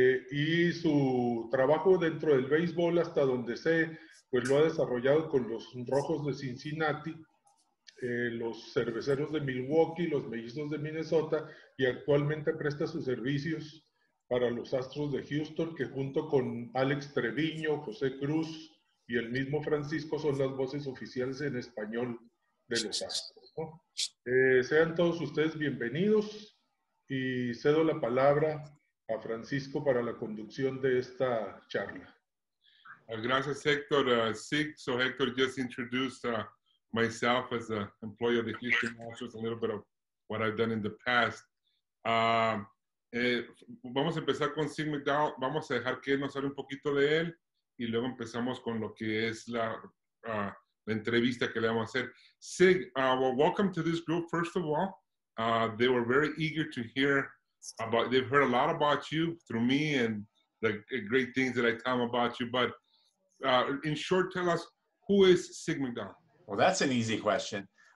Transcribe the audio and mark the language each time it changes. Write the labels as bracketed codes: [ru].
[es] Y su trabajo dentro del béisbol, hasta donde sé, pues lo ha desarrollado con los Rojos de Cincinnati, los Cerveceros de Milwaukee, los Mellizos de Minnesota, y actualmente presta sus servicios para los Astros de Houston, que junto con Alex Treviño, José Cruz y el mismo Francisco son las voces oficiales en español de los Astros, ¿no? Sean todos ustedes bienvenidos y cedo la palabra a Francisco para la conducción de esta charla. Gracias, Héctor. [en] Sí, so Héctor just introduced myself as an employee of the Houston Astros, a little bit of what I've done in the past. [es] Vamos a empezar con Sig McDowell. Vamos a dejar que nos hable un poquito de él y luego empezamos con lo que es la entrevista que le vamos a hacer. [en] Sig, well, welcome to this group, first of all. They were very eager to hear about, they've heard a lot about you through me and the great things that I tell them about you, but in short, tell us, who is Sig McDowell? Well, that's an easy question.